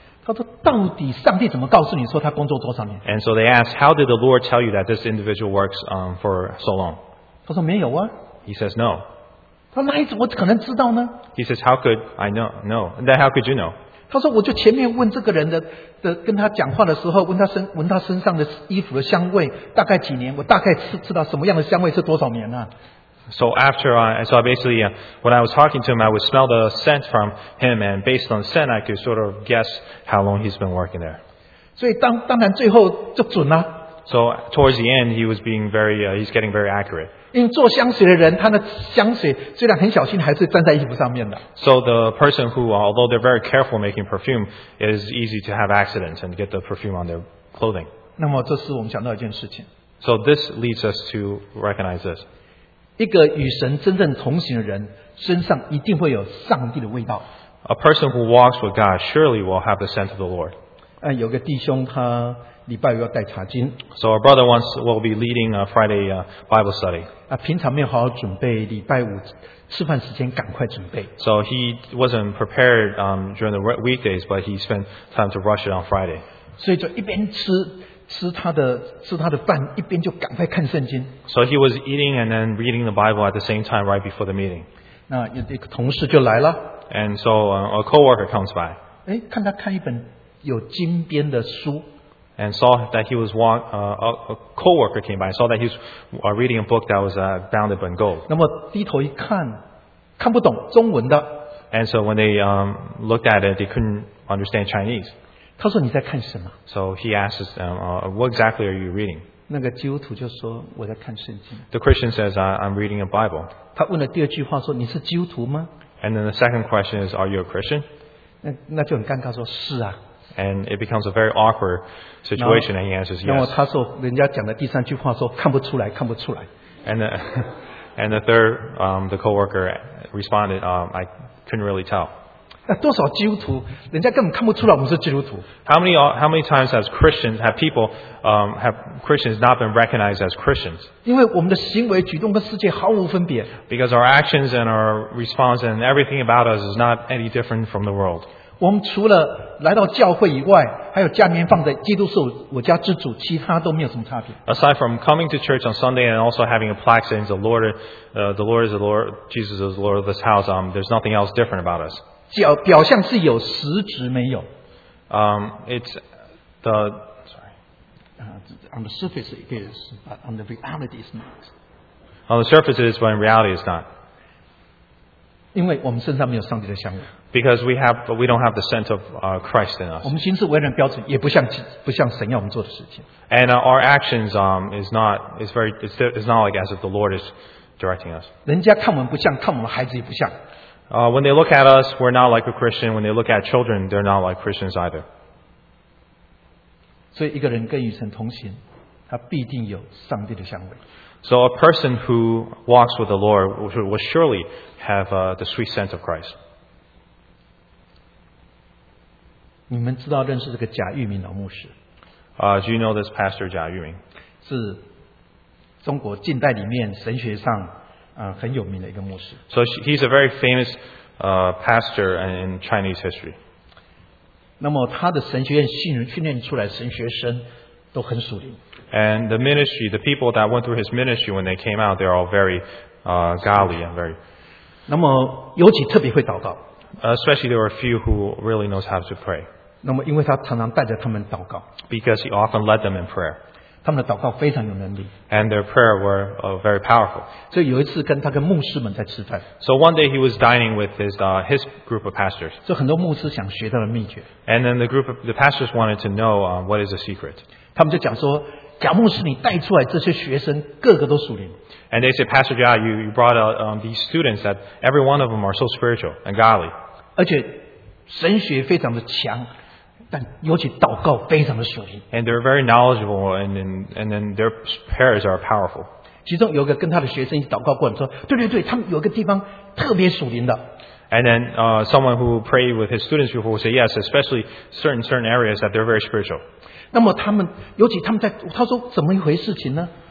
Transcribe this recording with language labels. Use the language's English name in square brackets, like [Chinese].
[Chinese] 他说：“到底上帝怎么告诉你说他工作多少年？” [English] And so they asked, "How did the Lord tell you that this individual works for so long?" [Chinese] 他说：“没有啊。” [English] He says, "No." [Chinese] 他说：“那你怎么可能知道呢？” [English] He says, "How could I know? No. Then how could you know?" [Chinese] 他说：“我就前面问这个人的跟他讲话的时候，闻他身上的衣服的香味，大概几年？我大概知道什么样的香味是多少年啊？” [English] So after when I was talking to him, I would smell the scent from him, and based on the scent, I could sort of guess how long he's been working there. [Chinese] 所以当然最后就准了。 [English] So towards the end, he was being very, he's getting very accurate. [Chinese] 因为做香水的人，他的香水虽然很小心，还是沾在衣服上面的。 [English] So the person who, although they're very careful making perfume, it is easy to have accidents and get the perfume on their clothing. [Chinese] 那么这是我们想到一件事情。 [English] So this leads us to recognize this. [Chinese] 一个与神真正同行的人，身上一定会有上帝的味道。 [English] A person who walks with God surely will have the scent of the Lord. [Chinese] 有个弟兄他。礼拜五要带查经。 [English] So our brother once will be leading a Friday Bible study. [Chinese] 平常没有好好准备，礼拜五吃饭时间赶快准备。 [English] So he wasn't prepared during the weekdays, but he spent time to rush it on Friday. [Chinese] 所以就一边吃他的饭，一边就赶快看圣经。 [English] So he was eating and then reading the Bible at the same time right before the meeting. [Chinese] 那一个同事就来了。 [English] And so a coworker comes by. [Chinese] 看他看一本有金边的书。 [English] And saw that he was a co-worker came by and saw that he was reading a book that was bound up in gold. [Chinese] 那么低头一看，看不懂中文的。 [English] And so when they looked at it, they couldn't understand Chinese. [Chinese] 他说你在看什么？ [English] So he asks them, what exactly are you reading? [Chinese] 那个基督徒就说我在看圣经。 [English] The Christian says, I'm reading a Bible. [Chinese] 他问了第二句话说你是基督徒吗？ [English] And then the second question is, are you a Christian? [Chinese] 那就很尴尬说是啊。 [English] And it becomes a very awkward situation, and he answers yes. [Chinese] 然后他说，人家讲的第三句话说看不出来，看不出来。 [English] And the third, the coworker responded, I couldn't really tell. [Chinese] 那多少基督徒，人家根本看不出来我们是基督徒。 [English] How many times have Christians not been recognized as Christians? [Chinese] 因为我们的行为举动跟世界毫无分别。 [English] Because our actions and our response and everything about us is not any different from the world. [Chinese] 我们除了来到教会以外，还有家里面放着基督是我家之主，其他都没有什么差别。 [English] Aside from coming to church on Sunday and also having a plaque saying the Lord is the Lord, Jesus is the Lord of this house, there's nothing else different about us. [Chinese] 表象是有，实质没有。 [English] It's the sorry. On the surface it is, but on the reality it's not. On the surface it is, but in reality it's not. [Chinese] 因为我们身上没有上帝的香味。 [English] Because we don't have the scent of Christ in us. [Chinese] 我们行事为人的标准也不像神要我们做的事情。 [English] And our actions is not like as if the Lord is directing us. [Chinese] 人家看我们不像，看我们孩子也不像。 [English] When they look at us, we're not like a Christian. When they look at children, they're not like Christians either. [Chinese] 所以一个人跟与神同行，他必定有上帝的香味。 [English] So a person who walks with the Lord will surely have the sweet scent of Christ. [Chinese] 你们知道认识这个贾玉明老牧师？ [English] Do you know this pastor, 贾玉明? [Chinese] 是中国近代里面神学上很有名的一个牧师。 [English] So he's a very famous pastor in Chinese history. [Chinese] 那么他的神学院训练出来神学生都很属灵。 [English] And the ministry, the people that went through his ministry when they came out, they're all very godly and very. [Chinese] 那么尤其特别会祷告。 [English] Especially there were a few who really knows how to pray. [Chinese] 那么因为他常常带着他们祷告。 [English] Because he often led them in prayer. [Chinese] 他们的祷告非常有能力。 [English] And their prayer were very powerful. [Chinese] 所以有一次跟他跟牧师们在吃饭。 [English] So one day he was dining with his group of pastors. [Chinese] 就很多牧师想学到的秘诀。 [English] And then the pastors wanted to know what is the secret. [Chinese] 他们就讲说。贾牧师你带出来这些学生个个都属灵。 [English] And they say, Pastor Jia, you brought out these students that every one of them are so spiritual and godly. [Chinese] 而且神学非常的强，但尤其祷告非常的属灵。 [English] And they're very knowledgeable and then their prayers are powerful. [Chinese] 其中有个跟他的学生一起祷告过，说对对对，他们有个地方特别属灵的。 [English] And then someone who prayed with his students before would say, yes, especially certain areas that they're very spiritual. [Chinese] 那么他们，尤其他们在，他说怎么一回事情呢？